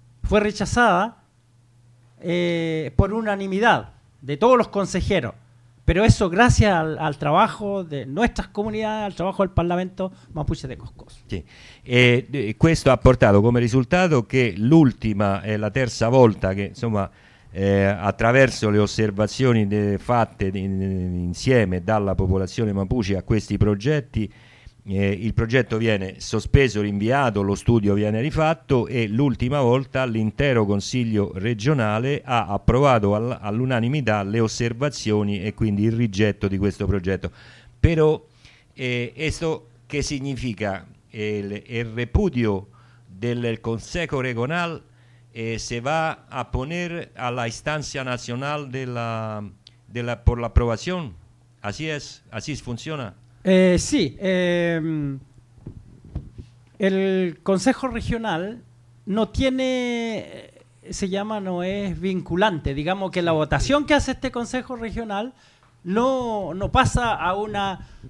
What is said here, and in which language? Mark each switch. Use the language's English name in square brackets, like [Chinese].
[Spanish] rechazada por unanimidad de todos los consejeros, pero eso gracias al trabajo de nuestras comunidades, al trabajo del Parlamento Mapuche de Coscos. Sí. [Italian] Questo ha portato come risultato che l'ultima è la terza volta che insomma attraverso le osservazioni fatte insieme dalla popolazione Mapuche a questi progetti Il progetto viene sospeso, rinviato, lo studio viene rifatto e l'ultima volta l'intero Consiglio regionale ha approvato all'unanimità le osservazioni e quindi il rigetto di questo progetto. Però questo che significa? [Spanish] Il repudio del Consejo Regional se va a poner a la instancia nacional de la por la aprobación. Así es, así funciona. Sí, el Consejo Regional no tiene, se llama, no es vinculante, digamos que la votación que hace este Consejo Regional no pasa a una